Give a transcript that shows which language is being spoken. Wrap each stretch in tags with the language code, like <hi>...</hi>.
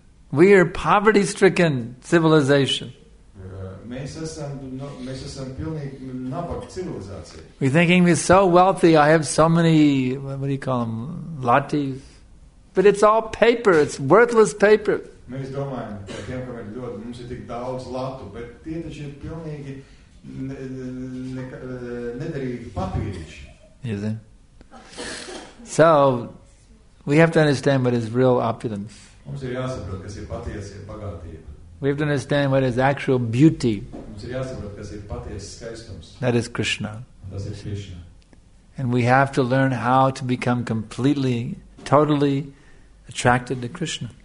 <en>We are a poverty-stricken civilization. We're thinking we're so wealthy, I have so many, what do you call them, lattes. But it's all paper, it's worthless paper.</en> <lv>Mēs domājam, ka tiem, kam ir ļoti, mums ir tik daudz latu, bet tie taču ir pilnīgi nederīgi papīriši.</lv> <en>Is it? So, we have to understand what is real opulence.</en> <lv>Mums ir jāsaprot, kas ir patiesa bagātība.</lv> <en>We have to understand what is actual beauty.</en> <lv>Mums ir jāsaprot, kas ir patiesa skaistums.</lv> <en>That is Krishna.</en> <lv>Tas ir Krishna.</lv> <en>And we have to learn how to become completely, totally attracted to Krishna.</en>